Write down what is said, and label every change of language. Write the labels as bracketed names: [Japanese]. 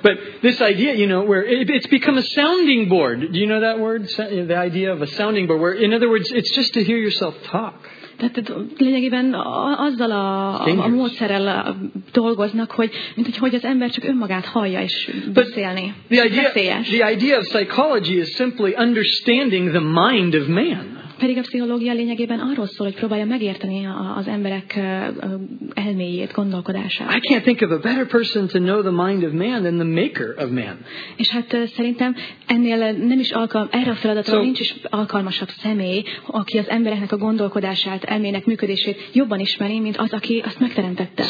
[English] But this idea, you know, where it's become a sounding board. Do you know that word? The idea of a sounding board, where in other words, it's just to hear yourself talk. [Hungarian] Tehát lényegében azzal a módszerrel dolgoznak, hogy az ember csak önmagát hallja és beszélni. [English] The idea of psychology is simply understanding the mind of man. [Hungarian] Pedig a pszichológia lényegében arról szól, hogy próbálja megérteni az emberek elméjét, gondolkodását. [English] I can't think of a better person to know the mind of man than the maker of man. [Hungarian] És hát szerintem ennél nem is erre a feladatra nincs is alkalmasabb személy, aki az embereknek a gondolkodását, elmének működését jobban ismeri, mint az, aki azt megteremtette.